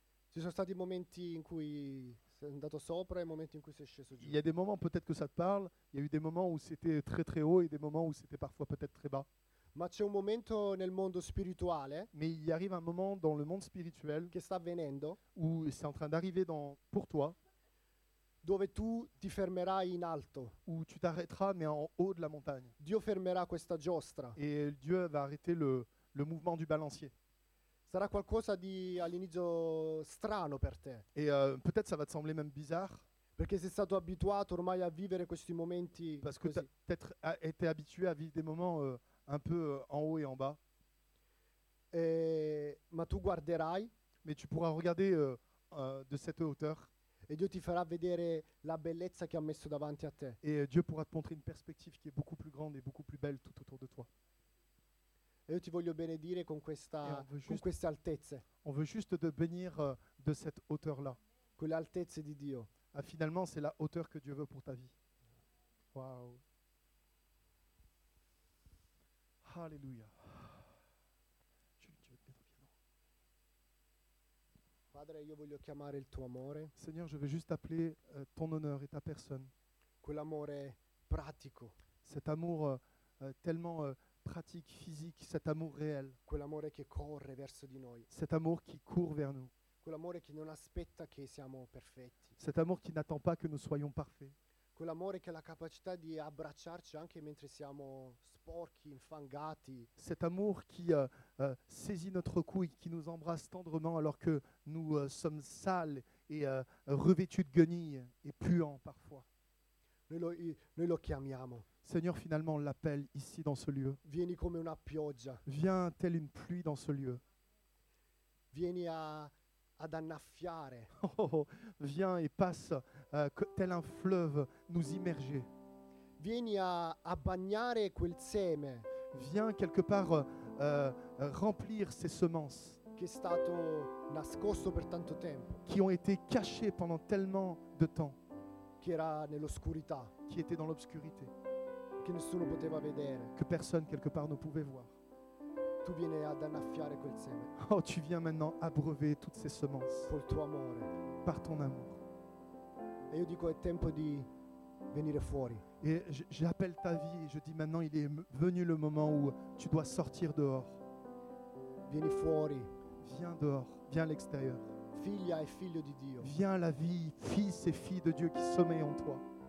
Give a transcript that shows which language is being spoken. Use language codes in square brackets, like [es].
[it] Ci sono stati momenti in cui sei andato sopra e momenti in cui sei sceso giù. [fr] Il y a des moments, peut-être que ça te parle, il y a eu des moments où c'était très très haut et des moments où c'était parfois peut-être très bas. [it] Ma c'è un momento nel mondo spirituale. [fr] Mais il y arrive un moment dans le monde spirituel [it] che sta avvenendo [fr] où c'est en train d'arriver pour toi. [it] dove tu ti fermerai in alto. [fr] Où tu t'arrêteras mais en haut de la montagne. [it] Dio fermerà questa giostra. [fr] Et Dieu va arrêter le mouvement du balancier. [it] Sarà qualcosa di all'inizio strano per te. [fr] Et peut-être ça va te sembler même bizarre. [it] Perché sei stato abituato ormai a vivere questi momenti così. [fr] Parce que peut-être été habitué à vivre des moments un peu en haut et en bas. [it] Ma tu guarderai. [fr] Mais tu pourras regarder de cette hauteur. [it] E Dio ti farà vedere la bellezza che ha messo davanti a te. [fr] Et Dieu pourra te montrer une perspective qui est beaucoup plus grande et beaucoup plus belle tout autour de toi. [it] E io ti voglio benedire con questa, con queste altezze. [fr] On veut juste te bénir de cette hauteur-là. [it] Quelle altezza di Dio. [fr] Ah, finalement, c'est la hauteur que Dieu veut pour ta vie. Wow. Alléluia. [it] Padre, io voglio chiamare il tuo amore. [fr] Seigneur, je veux juste appeler ton honneur et ta personne. [it] Quell'amore pratico. [fr] Cet amour tellement pratique, physique, cet amour réel. [it] Quell'amore che corre verso di noi. [fr] Cet amour qui court vers nous. [it] Quell'amore che non aspetta che siamo perfetti. [fr] Cet amour qui n'attend pas que nous soyons parfaits. [it] Quell'amore che ha la capacità di abbracciarci anche mentre siamo sporchi, infangati. [fr] Cet amour qui saisit notre cou et qui nous embrasse tendrement alors que nous sommes sales et revêtus de guenilles et puants parfois. [it] Noi lo chiamiamo. [fr] Seigneur, finalement, on l'appelle ici dans ce lieu. [it] Vieni come una pioggia. [fr] Viens telle une pluie dans ce lieu. [it] Vieni ad annaffiare. [fr] Viens et passe tel un fleuve nous immerger. [it] Vieni a bagnare quel seme. [fr] Viens quelque part remplir ces semences. [it] Che è stato nascosto per tanto tempo. [fr] Qui ont été cachées pendant tellement de temps. [it] Che era nell'oscurità. [fr] Qui était dans l'obscurité. [it] Che nessuno poteva vedere. [fr] Que personne quelque part ne pouvait voir. [it] Tu vieni ad annaffiare quel seme. [fr] Oh, tu viens maintenant abreuver toutes ces semences. [it] Col tuo amore. [fr] Par ton amour. [it] E io dico è tempo di venire fuori. [fr] Et j'appelle ta vie et je dis maintenant il est venu le moment où tu dois sortir dehors. [it] Vieni fuori. [fr] Viens dehors. Viens à l'extérieur. [it] Figlia e figlio di Dio. [fr] Viens à la vie, fils et fille de Dieu qui sommeille en toi.